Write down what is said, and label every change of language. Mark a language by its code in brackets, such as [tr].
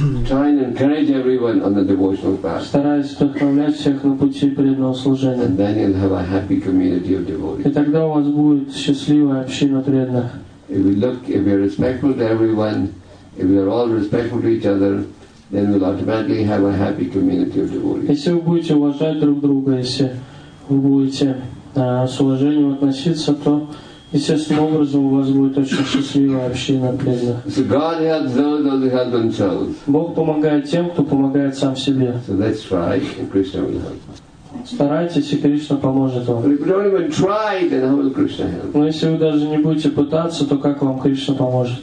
[en] Trying to encourage everyone on the devotional path. [ru] Стараясь вдохновлять всех на пути преданного служения. [en] And then you'll have a happy community of devotees. [ru] И тогда у вас будет счастливая община преданных. [en] If we're respectful to everyone, if we're all respectful to each other, then we'll automatically have a happy community of devotees. [ru] Если вы будете уважать друг друга, если вы будете с уважением относиться, то естественным образом у вас будет очень счастливая община преданных. [en] So God helps those who help themselves. [ru] Бог помогает тем, кто помогает сам себе. [en] So let's try, and Krishna will help. [ru] Старайтесь, и Кришна поможет вам. [en] But if you don't even try, then how will Krishna help? [ru] Но если вы даже не будете пытаться, то как вам Кришна поможет?